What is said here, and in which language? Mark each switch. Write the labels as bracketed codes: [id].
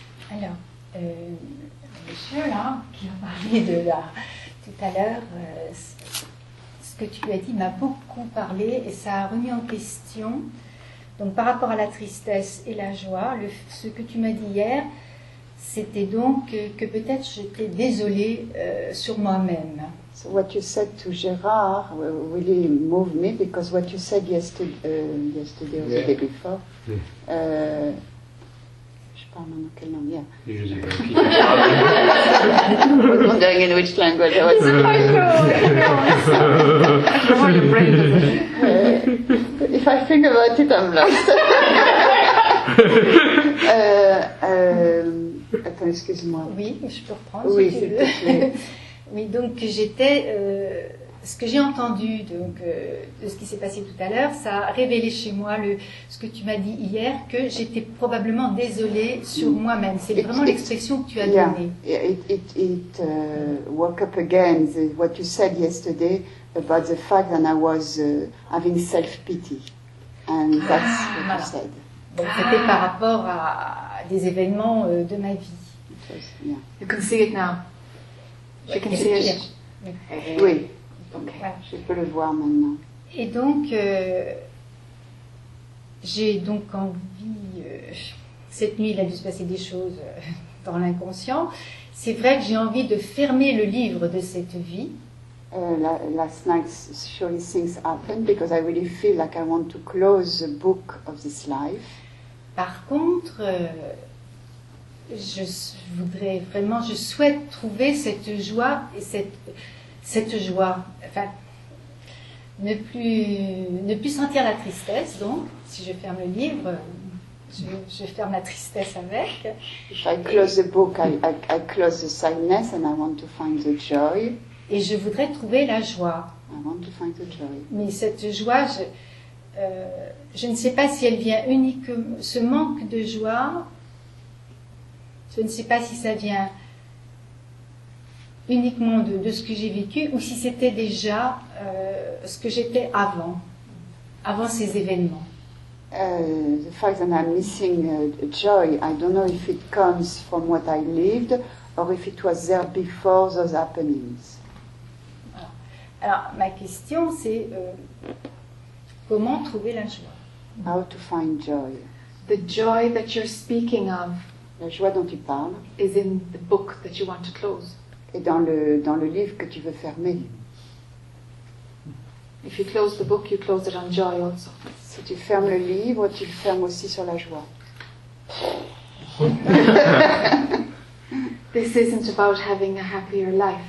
[fr] Alors, monsieur, là, qui a parlé de là tout à l'heure, ce que tu as dit m'a beaucoup parlé et ça a remis en question. Donc par rapport à la tristesse et la joie, ce que tu m'as dit hier, c'était donc que peut-être j'étais désolée sur moi-même. [en] So what you said to Gérard really moved me because what you said yesterday or the day before. [fr] Je parle en quelle langue? [en] Yeah. I'm wondering in which language I was. If I think about it, I'm lost. [fr] attends, excuse-moi. Oui, je peux reprendre. Oui, s'il te plaît. Oui, donc j'étais. Ce que j'ai entendu donc, de ce qui s'est passé tout à l'heure, ça a révélé chez moi ce que tu m'as dit hier, que j'étais probablement désolée sur moi-même. C'est vraiment l'expression que tu as donnée. [en] It woke up again, what you said yesterday, about the fact that I was having self-pity. And that's what you said. [fr] Donc c'était par rapport à des événements de ma vie. [en] You can see it now. You can see it. [fr] Oui. Okay. Voilà. Je peux le voir maintenant. Et donc, j'ai donc envie. Cette nuit, il a dû se passer des choses dans l'inconscient. C'est vrai que j'ai envie de fermer le livre de cette vie. [en] Last night, surely things happened because I really feel like I want to close the book of this life. [fr] Par contre, je souhaite trouver cette joie et cette joie, enfin, ne plus sentir la tristesse, donc, si je ferme le livre, je ferme la tristesse avec. [en] If I close the book, I close the sadness and I want to find the joy. [fr] Et je voudrais trouver la joie. [en] I want to find the joy. [fr] Mais cette joie, je ne sais pas si elle vient uniquement, ce manque de joie, je ne sais pas si ça vient uniquement de ce que j'ai vécu, ou si c'était déjà ce que j'étais avant ces événements. [en] The fact that I'm missing joy, I don't know if it comes from what I lived, or if it was there before those happenings. [fr] Alors, ma question c'est, comment trouver la joie? [en] How to find joy. The joy that you're speaking of, [fr] la joie dont tu parles, [en] is in the book that you want to close. [fr] Et dans le livre que tu veux fermer. [en] If you close the book, you close it on joy also. [fr] Si tu fermes le livre, tu le fermes aussi sur la joie. [en] This isn't about having a happier life.